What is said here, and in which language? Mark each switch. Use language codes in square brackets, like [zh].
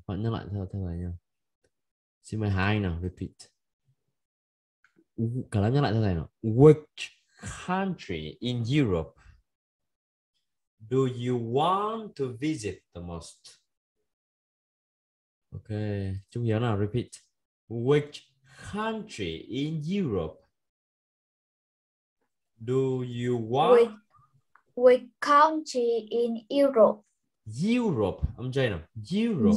[vi] Bạn nhắc lại theo lời nha. Xin mời hai anh nào, repeat. Cả lớp nhắc lại theo này nào. [en] Which country in Europe do you want to visit the most? [vi] Ok, Trung Hiếu nào, repeat. [en] Which country in Europe do you want Which country in Europe? Europe, I'm Jane. Europe.